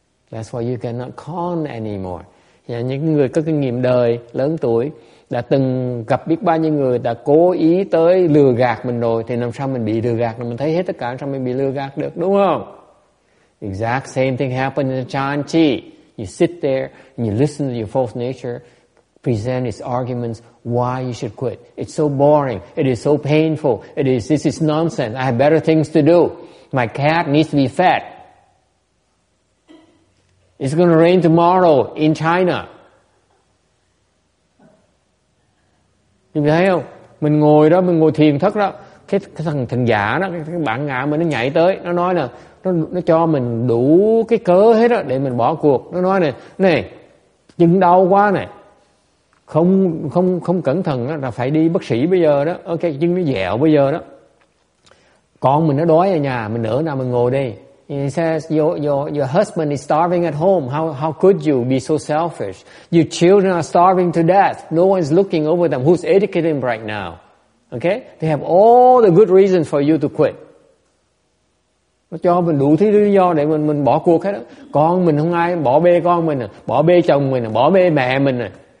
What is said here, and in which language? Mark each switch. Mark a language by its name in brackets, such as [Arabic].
[English] That's why you cannot con anymore. [Vietnamese] Và những người có kinh nghiệm đời lớn tuổi đã từng gặp biết bao nhiêu người đã cố ý tới lừa gạt mình rồi, thì làm sao mình bị lừa gạt, mình thấy hết tất cả, sao mình bị lừa gạt được, đúng không? [English] Exact same thing happened in chanti. You sit there and you listen to your false nature present its arguments why you should quit. It's so boring. It is so painful. It is, this is nonsense. I have better things to do. My cat needs to be fed. It's going to rain tomorrow in China. [Vietnamese] Quý vị thấy không? Mình ngồi đó, mình ngồi thiền thất đó. Cái thằng thần giả đó, cái bản ngã mình nó nhảy tới. Nó nói là, nó cho mình đủ cái cớ hết đó để mình bỏ cuộc. Nó nói này, này, chân đau quá này. Không cẩn thận đó, là phải đi bác sĩ bây giờ đó. Ok, chân nó dẻo bây giờ đó. Con mình nó đói ở nhà, mình ở nào mình ngồi đi. [English] He says, your husband is starving at home. How could you be so selfish? Your children are starving to death. No one's looking over them. Who's educating them right now? Okay? They have all the good reasons for you to quit. [Vietnamese] Nó cho mình đủ thứ lý do để mình bỏ cuộc hết đó. Con mình không ai bỏ bê con mình à, bỏ bê chồng mình à, bỏ bê mẹ mình à.